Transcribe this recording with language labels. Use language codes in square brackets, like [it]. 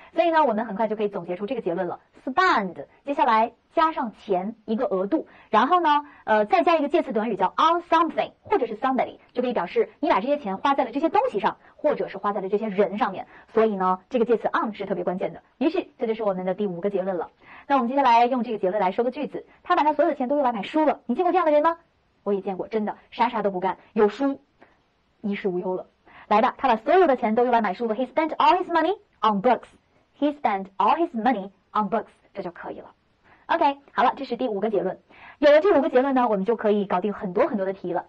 [zh] 所以呢我们很快就可以总结出这个结论了， spend 接下来加上钱一个额度，然后呢再加一个介词短语叫 on something 或者是 somebody， 就可以表示你把这些钱花在了这些东西上，或者是花在了这些人上面，所以呢这个介词 on 是特别关键的。于是这就是我们的第五个结论了。那我们接下来用这个结论来说个句子，他把他所有的钱都用来买书了，你见过这样的人吗？我也见过，真的啥啥都不干，有书衣食无忧了。来吧，他把所有的钱都用来买书了， [en] he spent all his money on books， he spent all his money on books， [zh] 这就可以了。 OK， 好了，这是第五个结论，有了这五个结论呢我们就可以搞定很多很多的题了。